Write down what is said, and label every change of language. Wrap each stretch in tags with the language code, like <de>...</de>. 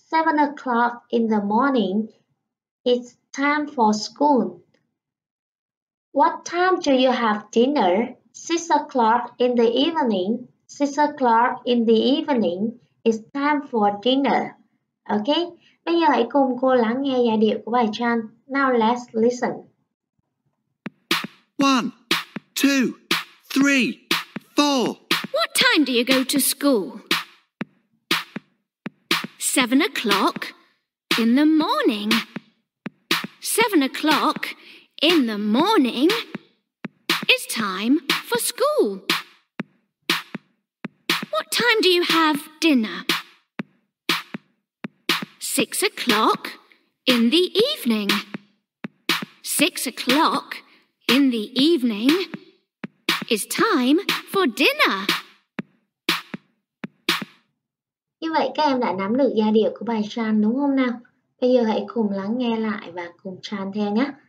<en>7 o'clock in the morning. It's time for school. What time do you have dinner? 6 o'clock in the evening. 6 o'clock in the evening is time for dinner. Okay?</en> <vi>Bây giờ hãy cùng cô lắng nghe giai điệu của bài tranh.</vi> <en>Now let's listen. 1, 2, 3, 4. What time do you go to school? 7 o'clock in the morning. 7 o'clock in the morning is time for school. What time do you have dinner? 6 o'clock in the evening. 6 o'clock in the evening is time for dinner.</en> <vi>Như vậy các em đã nắm được giai điệu của bài Chan đúng không nào? Bây giờ hãy cùng lắng nghe lại và cùng Chan theo nhé.</vi>